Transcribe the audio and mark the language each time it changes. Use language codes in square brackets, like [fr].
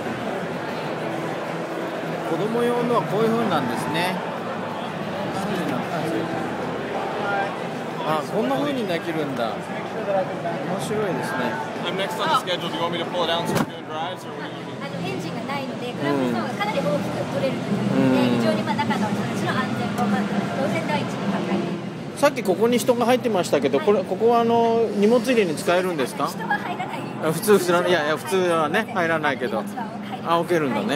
[ja] 子供用のはこういう風なんですね。あ、こんな風にできるんだ。面白いですね。 [en] I'm next on the schedule. Do you want me to pull it down so we're doing drives or what? [ja] エンジンがないので、クラブ層がかなり大きく取れるので、うん、非常にまあ中の車の安全を、まあ、当然第一に考えて。さっきここに人が入ってましたけど、これ、ここはあの荷物入れに使えるんですか？人は入らない。普通は、いや、普通はね、入らないけど。あ、置けるんだね。